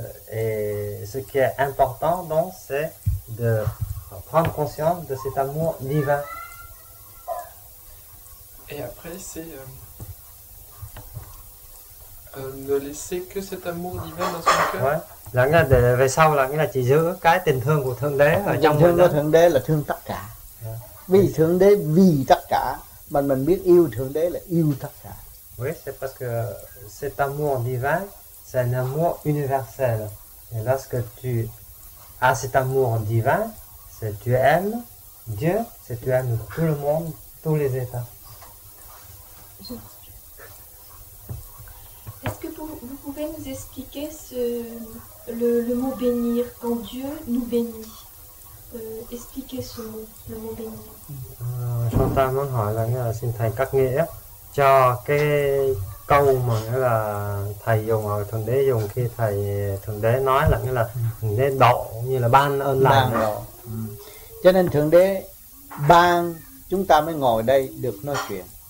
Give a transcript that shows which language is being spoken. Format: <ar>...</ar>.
<fr>Et ce qui est important, donc, c'est de prendre conscience de cet amour divin. Et après, c'est ne laisser que cet amour divin dans son cœur. Ouais.</fr> <vi>Là nghĩa là về sau là nghĩa là chỉ giữ cái tình thương của Thượng Đế ở trong thương của Thượng Đế là thương tất cả. Vì Thượng Đế vì tất cả, mình biết yêu Thượng Đế là yêu tất cả.</vi> <fr>Oui, c'est parce que cet amour divin, c'est un amour universel. Et lorsque tu as cet amour divin, c'est tu aimes Dieu, c'est tu aimes tout le monde, tous les états. Est-ce que vous pouvez nous expliquer le mot bénir, quand Dieu nous bénit? Expliquez ce mot, le mot bénir.</fr> <vi>Chúng ta muốn hỏi là nghĩa là xin thầy cắt nghĩa cho cái câu mà nghĩa là thầy dùng ở Thượng Đế dùng khi thầy Thượng Đế nói là nghĩa là Thượng Đế độ như là ban ơn lành. Cho nên Thượng Đế ban chúng ta mới ngồi đây được nói chuyện.</vi>